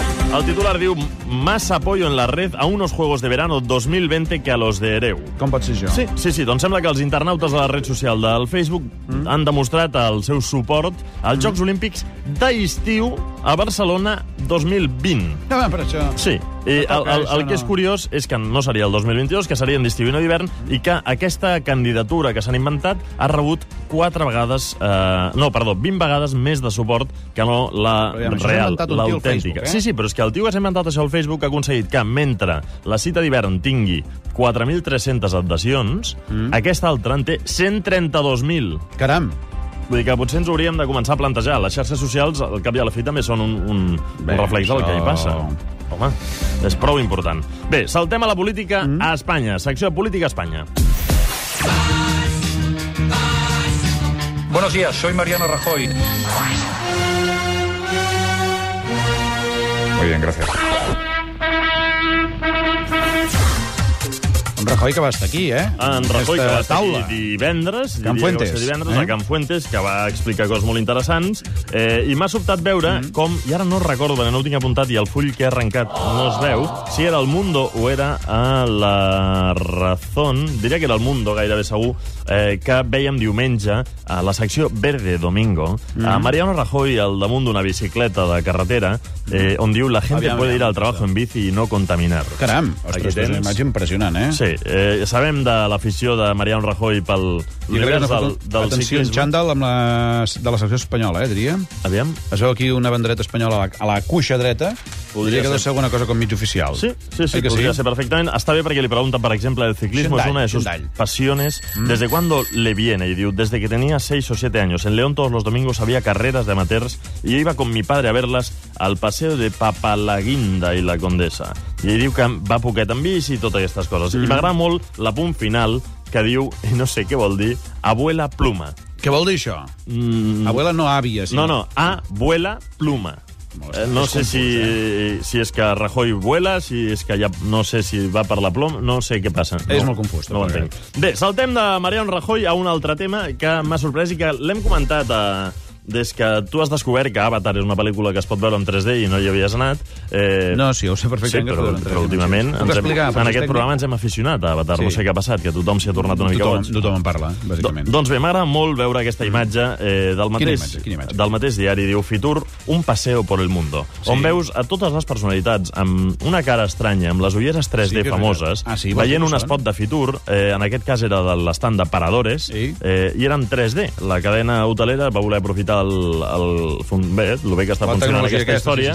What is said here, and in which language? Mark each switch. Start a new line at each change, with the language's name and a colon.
Catalan: El titular diu:
Spanish: más apoyo en la red a unos juegos de verano 2020 que a los de Hereu.
Catalan: Com pot ser això? Sí, sí, sí, doncs sembla que els internautes a la red social del Facebook han demostrat el seu suport als Jocs Olímpics d'estiu a Barcelona 2020. No, va, per això... Sí, i el que és curiós és que no seria el 2022, que serien d'estiu i no d'hivern, i que aquesta candidatura que s'han inventat ha rebut 4 vegades... 20 vegades més de suport que no la real, l'autèntica. Eh? Sí, sí, però és que el tio que s'ha inventat això al Facebook ha aconseguit que, mentre la cita d'hivern tingui 4.300 adhesions, aquesta altra en té 132.000. Caram! Vull dir que potser ens hauríem de començar a plantejar. Les xarxes socials, al cap i a la fi, també són un reflex del que hi passa. Home, és prou important. Bé, saltem a la política a Espanya. Secció de Política a Espanya.
Spanish: Buenos días, soy Mariano Rajoy. Muy bien, gracias.
Catalan: En Rajoy, que va estar aquí, eh? En Rajoy, que va estar aquí divendres. Can Fuentes. A Can Fuentes, que va explicar coses molt interessants. I m'ha sobtat veure com, i ara no recordo, no ho tinc apuntat, i el full que ha arrencat no es veu, si era el Mundo o era a La Razón. Diria que era el Mundo, gairebé segur, que vèiem diumenge a la secció Verde Domingo. A Mariano Rajoy, al damunt d'una bicicleta de carretera, on diu:
Spanish: la gente puede ir al trabajo en bici y no contaminar.
Catalan: Caram, ostres, és una imatge impressionant, eh? Sí, sabem de l'afició de Mariano Rajoy pel univers del ciclisme. Atenció, un xandall de la selecció espanyola, diria. Aviam. Es veu aquí una bandereta espanyola a la cuixa dreta. Podria quedar-se alguna cosa com mig oficial. Sí, sí, sí, podria ser perfectament. Està bé perquè li pregunten, per exemple, el ciclisme és una de
Spanish: sus passiones. ¿Desde cuándo le viene? Y
Catalan: diu:
Spanish: desde que tenía 6 o 7 años. En León todos los domingos había carreras de amateurs y iba con mi padre a verlas al Paseo de Papalaguinda y la Condesa.
Catalan: I ell diu que va poquet en bici i totes aquestes coses. I m'agrada molt l'apunt final que diu, i no sé què vol dir, abuela pluma. Què vol dir això? Abuela no àvia, sí. No, abuela pluma. No sé si és que Rajoy vuela, si és que ja no sé si va per la ploma, no sé què passa. És molt confús. No ho entenc. Bé, saltem de Mariano Rajoy a un altre tema que m'ha sorprès i que l'hem comentat a... Des que tu has descobert que Avatar és una pel·lícula que es pot veure en 3D i no hi havies anat... No, sí, ho sé perfectament. Sí, però últimament programa ens hem aficionat a Avatar. Sí. No sé què ha passat, que tothom s'hi ha tornat una mica boig. Tothom en parla, bàsicament. Doncs bé, m'agrada molt veure aquesta imatge, Quina imatge? Del mateix diari. Diu:
Spanish: Fitur, un paseo por el mundo.
Catalan: Sí. On veus a totes les personalitats amb una cara estranya, amb les ulleres 3D sí, famoses, veient un spot de Fitur, en aquest cas era de l'estand de Paradores, i eren 3D. La cadena hotelera va voler aprofitar el bé que està funcionant aquesta història,